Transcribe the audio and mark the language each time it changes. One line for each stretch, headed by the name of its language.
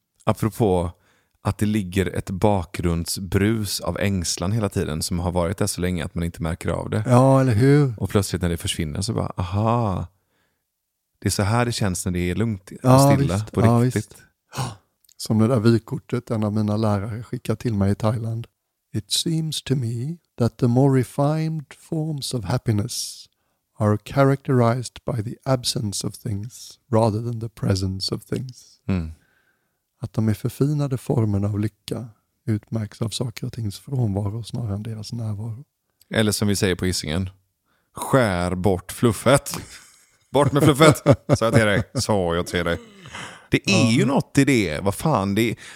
Swedish: Apropå att det ligger ett bakgrundsbrus av ängslan hela tiden som har varit där så länge att man inte märker av det. Ja, eller hur? Och plötsligt när det försvinner så bara, aha. Det är så här det känns när det är lugnt och ja, stilla visst. På riktigt. Ja, visst. Som det där vykortet en av mina lärare skickade till mig i Thailand.
English: It seems to me that the more refined forms of happiness are characterized by the absence of things rather than the presence of things. Mm.
Swedish: Att de är förfinade formerna av lycka utmärks av saker och tings frånvaro snarare än deras närvaro. Eller som vi säger på Hisingen, skär bort fluffet. Bort med fluffet, sa jag till dig. Sa jag till dig. Det är ju något i det, vad fan det är.